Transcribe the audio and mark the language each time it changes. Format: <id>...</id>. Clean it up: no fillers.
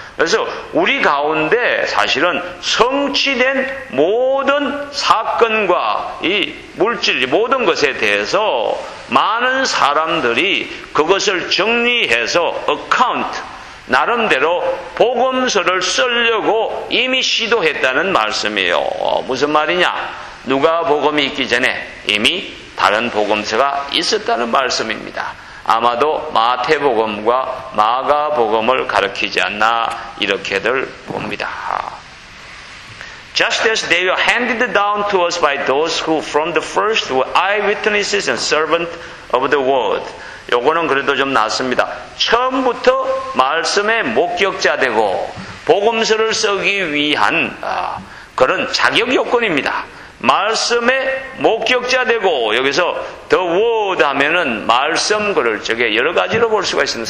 <ko>그래서 우리 가운데 사실은 성취된 모든 사건과 이 물질 모든 것에 대해서 많은 사람들이 그것을 정리해서 어카운트 나름대로 복음서를 쓰려고 이미 시도했다는 말씀이에요. 무슨 말이냐? 누가 복음이 있기 전에 이미 다른 복음서가 있었다는 말씀입니다. 아마도 마태복음과 마가복음을 가르치지 않나 이렇게들 봅니다.</ko> <en>Just as they were handed down to us by those who from the first were eyewitnesses and servants of the word.</en> <ko>요거는 그래도 좀 낫습니다. 처음부터 말씀의 목격자 되고 복음서를 쓰기 위한 그런 자격 요건입니다. 말씀의 목격자 되고 여기서 the word 하면은 말씀 그럴 적에 여러 가지로 볼 수가 있습니다.</ko>